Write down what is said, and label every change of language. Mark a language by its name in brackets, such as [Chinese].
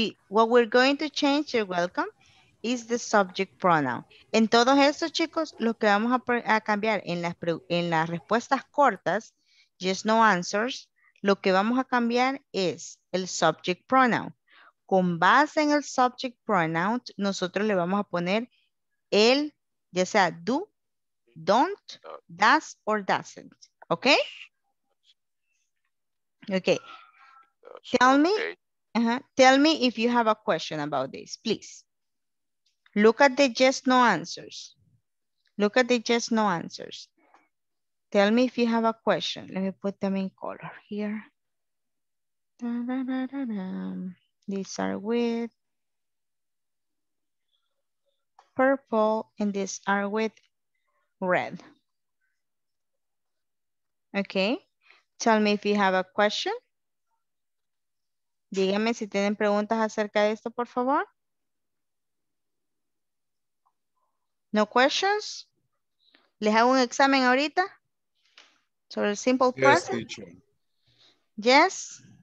[English] What we're going to change, you're welcome, is the subject pronoun. [Spanish] En todos estos, chicos, lo que vamos a cambiar en las respuestas cortas, yes, no answers, lo que vamos a cambiar es el subject pronoun. Con base en el subject pronoun, nosotros le vamos a poner él, ya sea do, don't, does, or doesn't. Okay? [English] Okay. Tell me if you have a question about this, please. Look at the yes, no answers. Look at the yes, no answers. Tell me if you have a question. Let me put them in color here. Da, da, da, da, da. These are with purple, and these are with red. Okay, tell me if you have a question. [Spanish] Díganme si tienen preguntas acerca de esto, por favor. [English] No questions? [Spanish] ¿Les hago un examen ahorita? Sobre el simple present? [English] Yes, teacher. Yes?